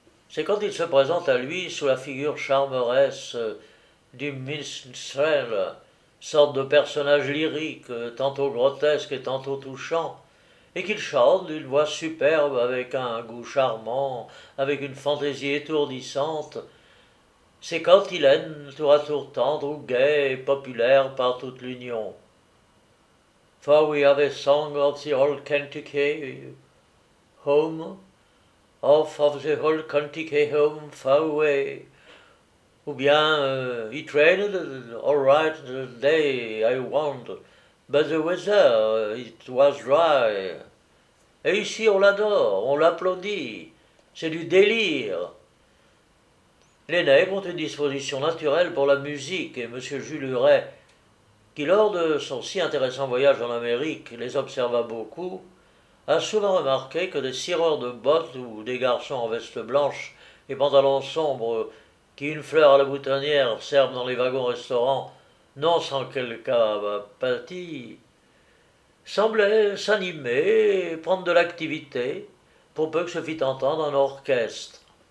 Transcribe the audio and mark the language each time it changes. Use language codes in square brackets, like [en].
[fr] C'est quand il se présente à lui sous la figure charmeresse du minstrel, sorte de personnage lyrique, tantôt grotesque et tantôt touchant, et qu'il chante d'une voix superbe, avec un goût charmant, avec une fantaisie étourdissante. C'est quand il est tour à tour tendre ou gai et populaire par toute l'Union. [en] For we are the song of the whole Kentucky home, off of the whole Kentucky home, far away. [fr] Ou bien, [en] it rained all right the day I went, but the weather, it was dry. [fr] Et ici, on l'adore, on l'applaudit, c'est du délire. Les nègres ont une disposition naturelle pour la musique, et M. Jules Huret, qui lors de son si intéressant voyage en Amérique les observa beaucoup, a souvent remarqué que des cireurs de bottes ou des garçons en veste blanche et pantalon sombre qui une fleur à la boutonnière servent dans les wagons-restaurants, non sans quelque apathie, semblaient s'animer et prendre de l'activité pour peu que se fît entendre un orchestre.